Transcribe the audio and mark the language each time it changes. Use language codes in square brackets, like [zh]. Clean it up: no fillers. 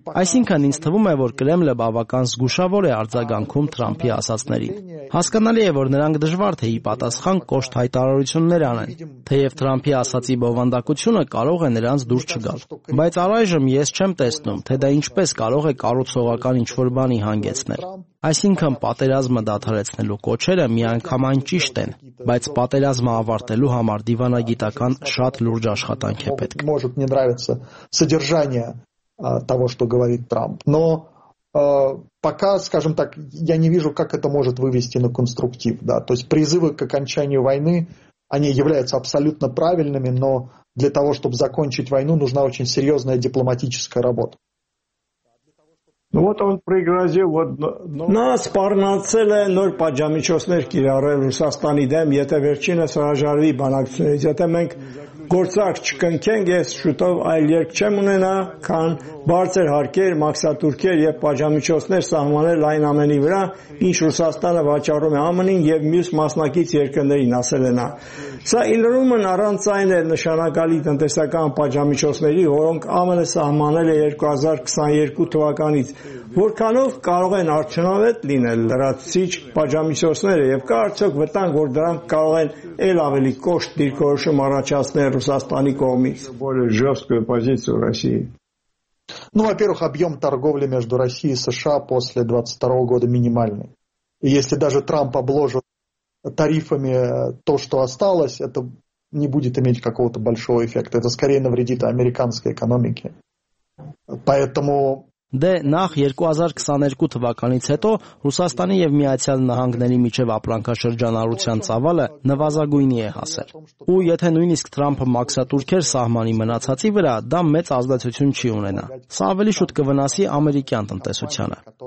[hy] Այսինքն ինձ թվում է, որ Կրեմլը բավական զգուշավոր է արձագանքում Թրամփի ասացներին։ Հասկանալի է, որ նրանք դժվար թե ի պատասխան կոշտ հայտարարություններ անեն, թեև Թրամփի ասացի բովանդակությունը կարող է նրանց դուր չգալ։ Բայց առայժմ ես չեմ տեսնում, թե դա ինչպես կարող է կառուցողական ինչ-որ բանի հանգեցնել։ Այսինքն պատերազմը դադարեցնելու կոչերը միանգամայն ճիշտ են, բայց պատերազմը ավարտելու համար դիվանագիտական շատ լուրջ աշխատանք է պետք։ [ru] Может мне нравится содержание того, что говорит Трамп, но пока, скажем так, я не вижу, как это может вывести на конструктив, да? То есть призывы к окончанию войны, они являются абсолютно правильными, но для того, чтобы закончить войну, нужна очень серьезная дипломатическая работа. Ну вот он пригрозил вот [hy] нас парнацել է նոր պատժամիջոցներ կիրառել Ռուսաստանի դեմ, եթե վերջինը սրաժարվի բանակցությունից, եթե մենք գործակ չկնքենք, ես շուտով այլ երկ չեմ ունենա, քան բարձր հարկեր, մաքսատուրքեր եւ պատժամիջոցներ սահմանել այն ամենի վրա, ինչ Ռուսաստանը վաճառում է ԱՄՆ-ին եւ մյուս մասնակից երկրներին, ասել է նա։ Սա ինրումն առանց այն է նշանակալի տնտեսական պատժամիջոցների, որոնք ԱՄՆ-ը սահմանել է 2022 թվականից, որքանով կարող են արդյունավետ լինել լրացիչ պատժամիջոցները եւ կա արդյոք վտանգ, որ դրանք կարող են ել ավելի կոշտ դիրքորոշում առաջացնել Ռուսաստանի կողմից [ru] более жёсткую позицию России. Ну, во-первых, объём торговли между Россией и США после 22 года минимальный. И если даже Трамп обложит тарифами то, что осталось, это не будет иметь какого-то большого эффекта. Это скорее навредит американской экономике. Поэтому [hy] Դե նախ 2022 թվականից հետո Ռուսաստանի եւ Միացյալ Նահանգների միջև ապրանքաշրջանառության ծավալը նվազագույնի է հասել։ Ու եթե նույնիսկ Թրամփը մաքսատուրքեր սահմանի մնացածի վրա, դա մեծ ազդեցություն չի ունենա։ Սա ավելի շուտ կվնասի ամերիկյան տնտեսությանը։